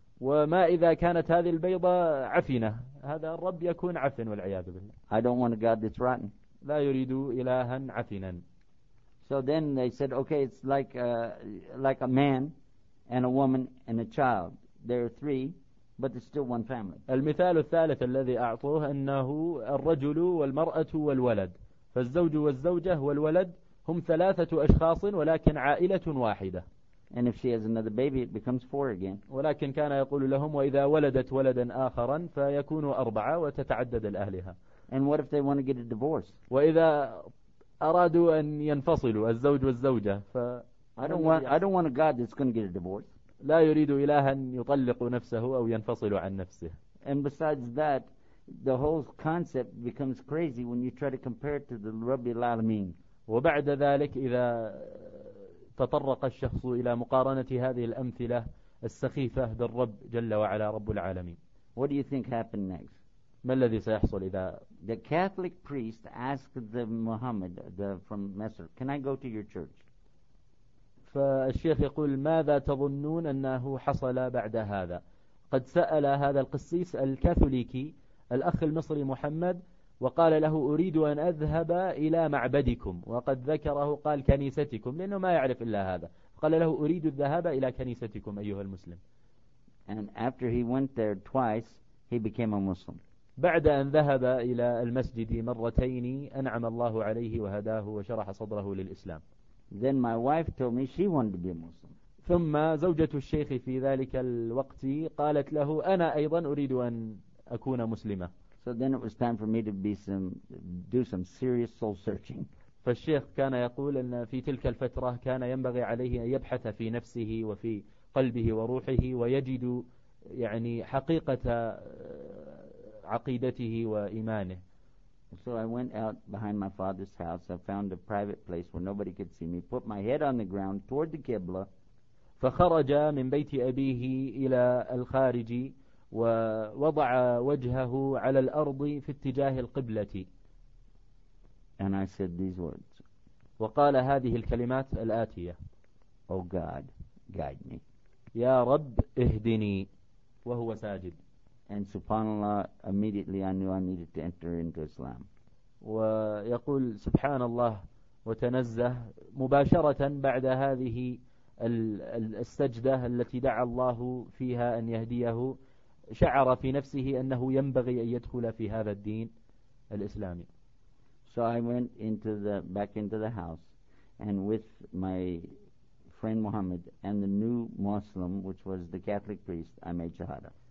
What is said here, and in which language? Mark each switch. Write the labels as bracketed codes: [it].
[ar] وما إذا كانت هذه البيضة عفنة؟ هذا الرب يكون عفن والعياذ بالله. [en] I don't want a God that's rotten. [ar] لا يريد إلها عفنا. [en] So then they said, okay, it's like a man and a woman and a child. There are three. But it's still one family. [ar] المثال الثالث الذي أعطوه أنه الرجل والمرأة والولد، فالزوج والزوجة والولد هم ثلاثة أشخاص ولكن عائلة واحدة. [en] And if she has another baby, it becomes four again. [ar] ولكن كان يقول لهم وإذا ولدت ولدا آخرا فيكون أربعة وتتعدد الأهلها. [en] And what if they want to get a divorce? [ar] وإذا أرادوا أن ينفصلوا الزوج والزوجة ف. [en] I don't want a God that's going to get a divorce. [ar] لا يريد إلها يطلق نفسه أو ينفصل عن نفسه. [en] And besides that, the whole concept becomes crazy when you try to compare it to the Rabbi Al-Alamin. [ar] وبعد ذلك إذا تطرق الشخص إلى مقارنة هذه الأمثلة السخيفة بالرب جل وعلا رب العالمين. [en] What do you think happened next? [ar] ما الذي سيحصل إذا؟ [en] The Catholic priest asked the Muhammad from Masr, "Can I go to your church?" [ar] فالشيخ يقول ماذا تظنون أنه حصل بعد هذا؟ قد سأل هذا القسيس الكاثوليكي الأخ المصري محمد وقال له أريد أن أذهب إلى معبدكم، وقد ذكره قال كنيستكم لأنه ما يعرف إلا هذا، قال له أريد الذهاب إلى كنيستكم أيها المسلم. [en] And after he went there twice, he became a Muslim. [ar] بعد أن ذهب إلى المسجد مرتين أنعم الله عليه وهداه وشرح صدره للإسلام. [en] Then my wife told me she wanted to be Muslim. [ar] ثم زوجة الشيخ في ذلك الوقت قالت له أنا أيضا أريد أن أكون مسلمة. [en] So then it was time for me to do some serious soul searching. [ar] فالشيخ كان يقول أن في تلك الفترة كان ينبغي عليه أن يبحث في نفسه وفي قلبه وروحه ويجد يعني حقيقة عقيدته وإيمانه. [en] So I went out behind my father's house. I found a private place where nobody could see me. Put my head on the ground toward the Qibla. [ar] فخرج من بيت أبيه إلى الخارج ووضع وجهه على الأرض في اتجاه القبلة. [en] And I said these words. [ar] وقال هذه الكلمات الآتية. [en] Oh God, guide me. [ar] يا رب اهدني. وهو ساجد. [en] And subhanallah, immediately I knew I needed to enter into Islam. [ar] ويقول سبحان الله وتنزه مباشرة بعد هذه السجدة التي دعا الله فيها أن يهديه شعر في نفسه أنه ينبغي أن يدخل في هذا الدين الإسلامي. [en] So I went back into the house and with my friend Muhammad and the new Muslim, which was the Catholic priest, I made shahada.